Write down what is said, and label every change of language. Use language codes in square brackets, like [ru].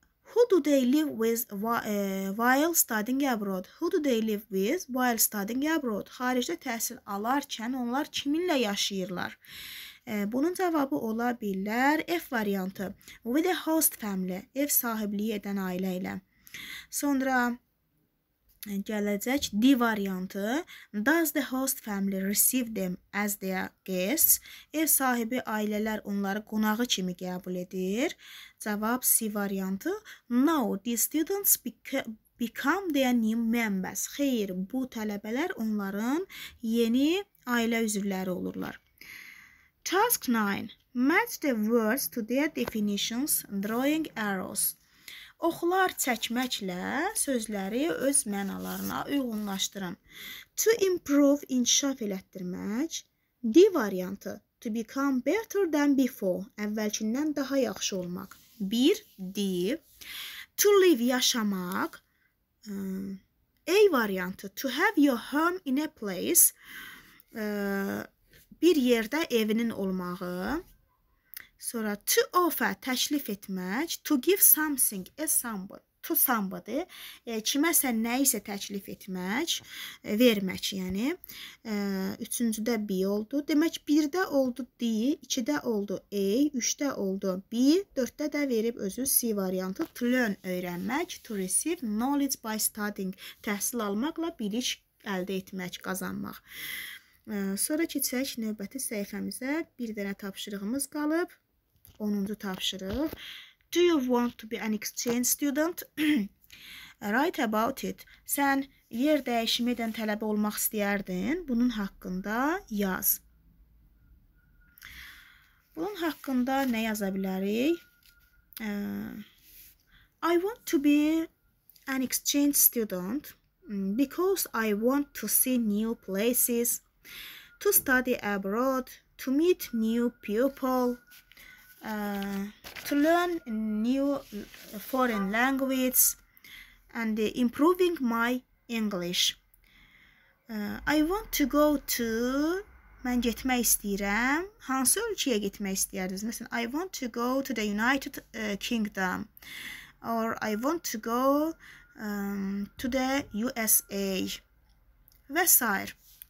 [en] Who do they live with while studying abroad? Who do they live with while studying abroad? [az] Xaricdə təhsil alarkən onlar kiminlə yaşayırlar? Bunun cavabı ola bilər F variantı. [en] With a host family, [az] ev sahibliyi edən ailə ilə. Sonra gələcək D variantı. [en] Does the host family receive them as their guests? [az] Ev sahibi ailələr onları qonağı kimi qəbul edir. Cavab C variantı. [en] No, these students become their new members. [az] Xeyr, bu tələbələr onların yeni ailə üzvləri olurlar. [en] Task 9. Match the words to their definitions, drawing arrows. [az] Oxlar çəkməklə sözləri öz mənalarına uyğunlaşdırın. [en] To improve, [az] inkişaf elətdirmək. D variantı. [en] To become better than before. [az] Əvvəlkindən daha yaxşı olmaq. 1. D. [en] To live, [az] yaşamaq. A variantı. [en] To have your home in a place. [az] Bir yerdə evinin olmağı. Sonra [en] to offer, [az] təklif etmək, [en] to give something, to somebody, [az] kiməsə nə isə təklif etmək, vermək, yəni. Üçüncüdə B oldu. Demək, birdə oldu D, ikidə oldu A, üçdə oldu B, dörddə də verib özü C variantı. [en] To learn, [az] öyrənmək, [en] to receive knowledge by studying, [az] təhsil almaqla bilik əldə etmək, qazanmaq. Sonra keçək növbəti səhifəmizə. Bir dənə tapşırığımız qalıb. 10-cu tapşırıq. [en] Do you want to be an exchange student? Write about it. [az] Sən yer dəyişimi edən tələbə olmaq istəyərdin. Bunun haqqında yaz. Bunun haqqında nə yaza bilərik? [en] I want to be an exchange student because I want to see new places, to study abroad, to meet new people, to learn new foreign languages and improving my English. I want to go to [az] Mən getmək istəyirəm. Hansı ölkəyə getmək istəyərdiniz? Məsələn, [en] I want to go to the United Kingdom. Or I want to go to the USA. [az] Və s.